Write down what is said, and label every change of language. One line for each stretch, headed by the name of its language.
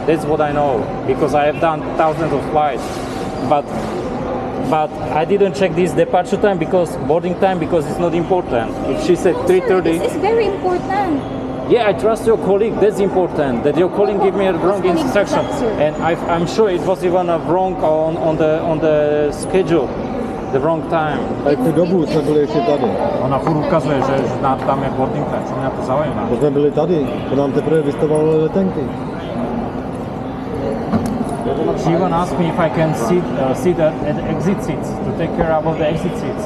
English: That's what I know because I have done thousands of flights. But I didn't check this departure time because boarding time because it's not important. If she said 3:30, this is very important. Yeah, I trust your colleague. That's important. That your colleague gave me a wrong instruction, and I'm sure it was even a wrong on the schedule. The wrong time.
Czech: Aj tu dobu jsme byli ještě tady. Ona furt ukazuje, že tam je boarding time, co mě to zaujímá. To jsme byli tady, to nám teprve vystavovali letenky.
English: She even asked me if I can sit at the exit seats, to take care of the exit seats.